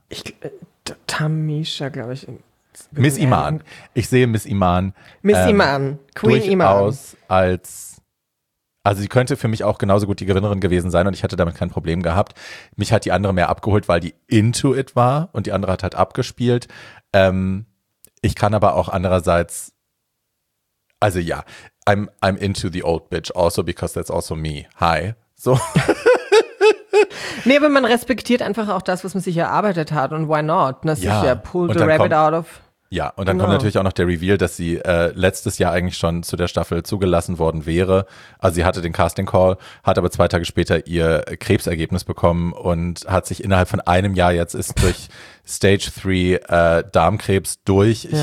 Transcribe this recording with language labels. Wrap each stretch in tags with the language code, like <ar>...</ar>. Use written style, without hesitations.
<de>Ich, Tamisha, glaube ich. Miss Iman. Ich sehe Miss Iman. Miss Iman. Queen durchaus Iman. Als, also sie könnte für mich auch genauso gut die Gewinnerin gewesen sein und ich hätte damit kein Problem gehabt. Mich hat die andere mehr abgeholt, weil die</de> <en>into it</en> <de>war und die andere hat halt abgespielt. Ich kann aber auch andererseits, also ja,</de> <en>I'm into the old bitch also because that's also me. Hi. So.</en> <de>Nee, aber man respektiert einfach auch das, was man sich erarbeitet hat und</de> <en>why not?</en> <de>Das ja. Ist ja</de> <en>pulled the rabbit out of.</en> <de>Ja, und dann kommt natürlich auch noch der Reveal, dass sie letztes Jahr eigentlich schon zu der Staffel zugelassen worden wäre. Also sie hatte den Casting Call, hat aber 2 Tage später ihr Krebsergebnis bekommen und hat sich innerhalb von einem Jahr jetzt ist durch Stage 3 Darmkrebs durch, ja.</de>